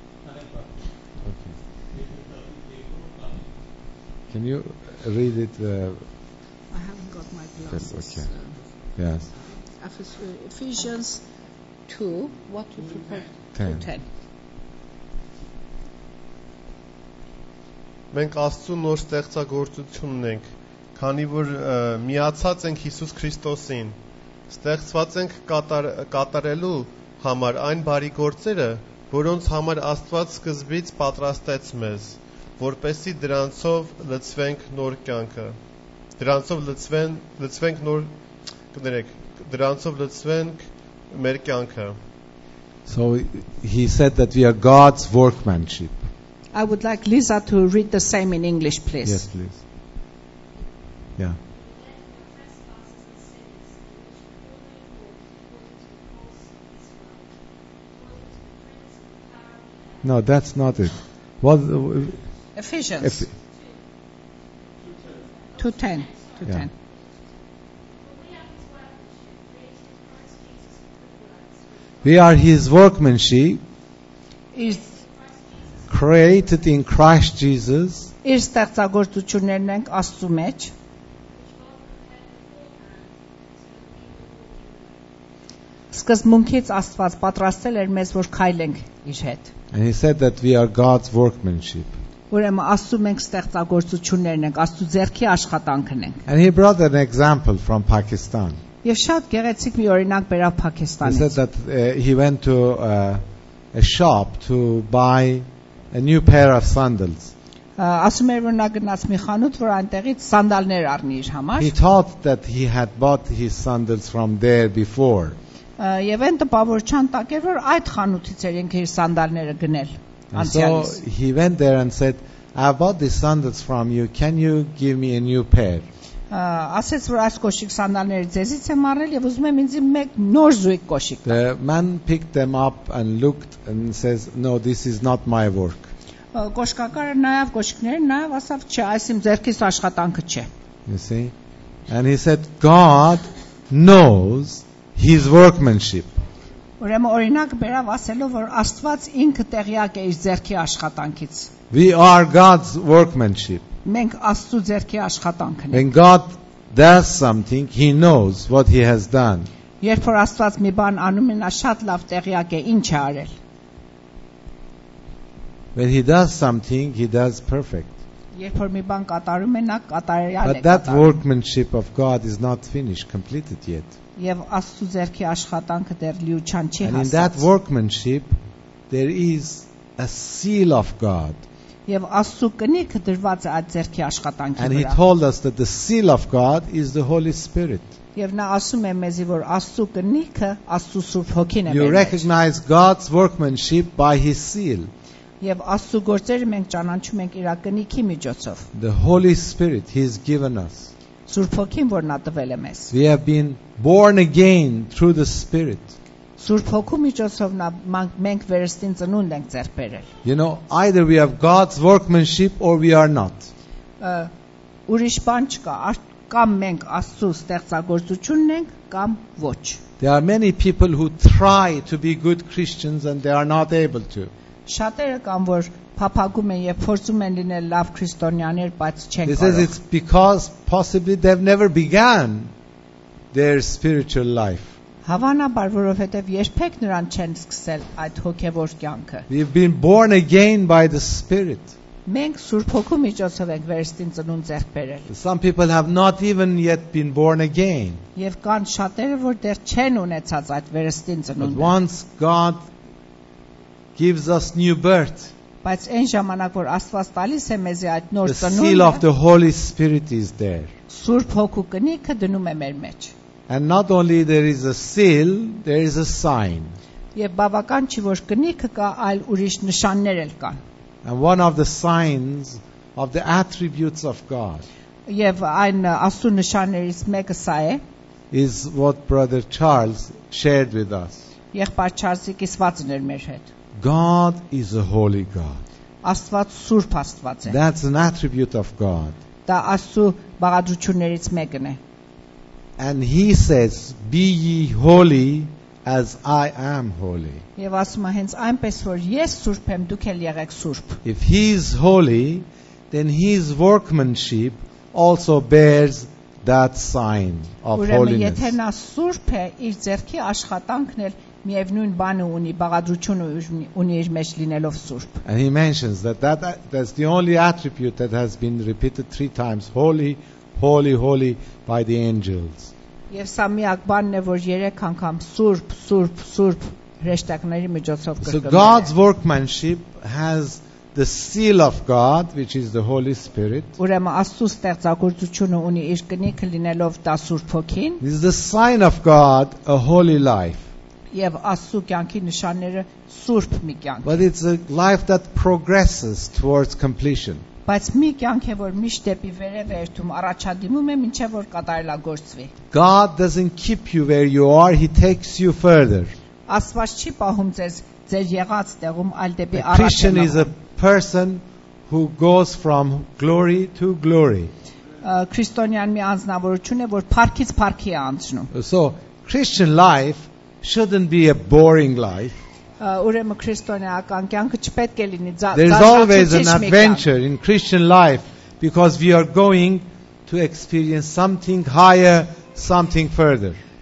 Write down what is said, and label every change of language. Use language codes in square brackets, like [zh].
[en] Okay. Can you read it? I haven't got my glasses. Okay. Yes. Ephesians 2, what you prepared? 10. [hy] Մենք Աստծո նոր ստեղծագործությունն ենք, քանի որ միացած ենք Հիսուս Քրիստոսին, ստեղծված ենք կատարելու համար այն բարի գործերը, որոնց համար Աստված սկզբից պատրաստեց մեզ, որպեսզի դրանցով լցվենք նոր կյանքը, դրանցով լցվենք մեր կյանքը. [en] So he said that we are God's workmanship. I would like Lisa to read the same in English, please. Yes, please. Yeah. No, that's not it. What? Ephesians. 2:10. We are His workmanship. Created in Christ Jesus. [hy] Իր ստեղծագործություններն ենք Աստծո մեջ. Սկզբունքից Աստված պատրաստել էր մեզ, որ քայլենք իր հետ. [en] And he said that we are God's workmanship. [hy] Ուրեմն Աստծո մենք ստեղծագործություններն ենք, Աստծո ձեռքի աշխատանքն ենք. [en] And he brought an example from Pakistan. [hy] Եվ շատ գեղեցիկ մի օրինակ բերավ Փակիստանից. [en] He said that he went to a shop to buy a new pair of sandals. [hy] Ասում էր, որ նա գնաց մի խանութ, որ այնտեղից սանդալներ առնի իր համար. [en] He thought that he had bought his sandals from there before. [hy] Եվ այն տպավորչան տակ էր, որ այդ խանութից էր ինքը իր սանդալները գնել. [en] So he went there and said, I bought these sandals from you, can you give me a new pair? [hy] Ասեց, որ այս կոշիկ սանդալները ձեզից եմ առել եւ ուզում եմ ինձի մեկ նոր զույգ կոշիկ տալ։ [en] The man picked them up and looked and says, no, this is not my work. [hy] Կոշկակարը նայավ կոշիկները, նայավ, ասավ, չէ, այս իմ ձեռքիս աշխատանքը չէ։ [en] You see? And he said, God knows his workmanship. [hy] Ուրեմն օրինակ բերավ ասելով, որ Աստված ինքը տեղյակ է իր ձեռքի աշխատանքից։ [en] We are God's workmanship. [hy] Մենք Աստծո ձեռքի աշխատանքն ենք. [en] When God does something, he knows what he has done. [hy] Երբ որ Աստված մի բան անում է, նա շատ լավ տեղյակ է, ինչ է արել. [en] When he does something, he does perfect. [hy] Երբ որ մի բան կատարում է, նա կատարյալ է կատարում. [en] But that workmanship of God is not finished, completed yet. [hy] Եվ Աստծո ձեռքի աշխատանքը դեռ լիության չի հասել. [en] And in that workmanship there is a seal of God. [hy] Եվ Աստծո կնիքը դրված է այդ ձեռքի աշխատանքի վրա. [en] And he told us that the seal of God is the Holy Spirit. [hy] Եվ նա ասում է մեզի, որ Աստծո կնիքը Աստծո Սուրբ Հոգին է։ [en] You recognize God's workmanship by his seal. [hy] Եվ Աստծո գործերը մենք ճանաչում ենք իր կնիքի միջոցով։ [en] The Holy Spirit he's given us. [hy] Սուրբ Հոգին, որ նա տվել է մեզ։ [en] We have been born again through the Spirit. [hy] Սուրբ Հոգու միջոցով նա մենք վերստին ծնունդ ենք ձեռք բերել։ [en] You know, either we have God's workmanship or we are not. [hy] Ուրիշ բան չկա, կամ մենք Աստծո ստեղծագործությունն ենք, կամ ոչ։ [en] There are many people who try to be good Christians and they are not able to. [hy] Շատերը կան, որ փափագում են եւ փորձում են լինել լավ քրիստոնյաներ, բայց չեն կարող։ [en] This is it's because possibly they've never began their spiritual life. [hy] Հավանաբար, որովհետև երբեք նրան չեն սկսել այդ հոգևոր կյանքը։ [en] We've been born again by the Spirit. [hy] Մենք Սուրբ Հոգու միջոցով ենք վերստին ծնունդ ձեռք բերել։ [en] Some people have not even yet been born again. [hy] Եվ կան շատերը, որ դեռ չեն ունեցած այդ վերստին ծնունդը։ [en] But once God gives us new birth. [hy] Բայց այն ժամանակ, որ Աստված տալիս է մեզ այդ նոր ծնունդը, [en] the seal of the Holy Spirit is there. [hy] Սուրբ Հոգու կնիքը դնում է մեր մեջ։ [en] And not only there is a seal, there is a sign. [hy] Եվ բավական չի որ գնիքը կա, այլ ուրիշ նշաններ էլ կան. [en] And one of the signs of the attributes of God. [hy] Եվ այն աստու նշաններից մեկը սա է. [en] Is what Brother Charles shared with us. [hy] Եղբայր Չարլզը կիսվածն էր մեր հետ. [en] God is a holy God. [hy] Աստված սուրբ աստված է. [en] That's an attribute of God. [hy] Դա աստու բաղադրություններից մեկն է. [en] And he says, be ye holy as I am holy. [hy] Եվ ասում է հենց այնպես որ ես սուրբ եմ, դուք էլ եղեք սուրբ. [en] If he is holy, then his workmanship also bears that sign of holiness. [hy] Ուրեմն եթե նա սուրբ է, իր ձեռքի աշխատանքն էլ միևնույն բանը ունի, բաղադրությունը ունի իր մեջ լինելով սուրբ. [en] And he mentions that's the only attribute that has been repeated 3 times, holy, holy, holy by the angels. [hy] Եվ սա միակ բանն է, որ 3 անգամ սուրբ, սուրբ, սուրբ հեշտակների միջոցով կրկնվում է. [en] So God's workmanship has the seal of God, which is the Holy Spirit. [hy] Ուրեմն Աստուծո ստեղծագործությունը ունի իր գնիքը լինելով Տա Սուրբ Հոգին. [en] This is the sign of God, a holy life. [hy] Եվ Աստուծո կյանքի նշանները սուրբ մի կյանք. [en] But it's a life that progresses towards completion. [hy] Բայց մի կյանք է, որ միշտ դեպի վերև է երթում, առաջադիմում է, մինչև որ կատարելագործվի։ [en] God doesn't keep you where you are, he takes you further. [hy] Աստված չի պահում ձեզ ձեր եղած տեղում, այլ դեպի առաջ։ [en] Christian is a person who goes from glory to glory. [hy] Քրիստոնյան մի անձնավորություն է, որ փառքից փառքի է անցնում։ [en] So, Christian life shouldn't be a boring life. [hy] Ուրեմն քրիստոնեական կյանքը չպետք է լինի ծածկված մի կյանք։ [en] There's always an adventure in Christian life because we are going to experience something higher, something further.